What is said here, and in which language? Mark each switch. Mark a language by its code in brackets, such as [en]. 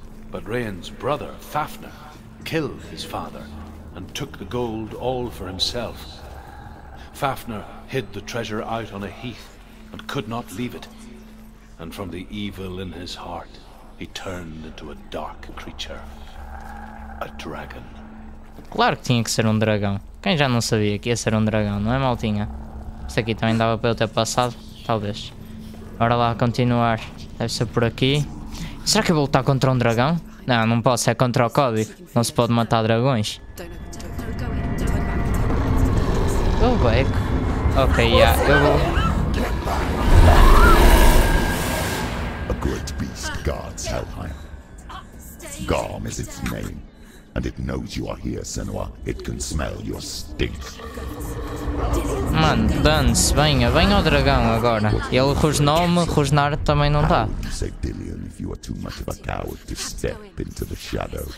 [en] But Rain's brother, Fafnir, killed his father and took the gold all for himself. Fafnir hid the treasure out on a heath and could not leave it. And from the evil in his heart, he turned into a dark creature. A dragon. [pt] Claro que tinha que ser um dragão. Quem já não sabia que ia ser um dragão, não é, maltinha? Isso aqui também dava para eu ter passado? Talvez. Bora lá, continuar. Deve ser por aqui. Será que eu vou lutar contra um dragão? Não, não posso. É contra o Cody. Não se pode matar dragões. [en] Go back. Ok, yeah, [pt] eu vou... [en] Gods Helheim. Gorm is its name. and it knows you are here, Senua. It can smell your stink. [pt] Mano, dane-se, venha, venha ao dragão agora. Ele rosnou-me, rosnar também não dá. [en] Say Dillion, if you are too much of a coward to step into the shadow.